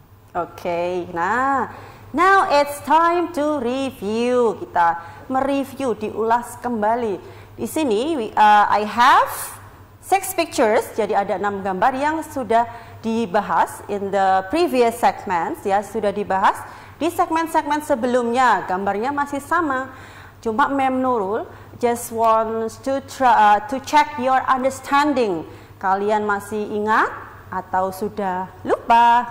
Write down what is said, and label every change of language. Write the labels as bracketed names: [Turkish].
[English] Okay. Nah, now it's time to review. [Indonesian] Kita mereview, diulas kembali. Di sini, [English] I have 6 pictures. [Indonesian] Jadi ada 6 gambar yang sudah dibahas [English] in the previous segments. [Indonesian] Ya, sudah dibahas di segmen-segmen sebelumnya. Gambarnya masih sama. [English] Cuma Mem Nurul just wants to check your understanding. [Indonesian] Kalian masih ingat atau sudah lupa?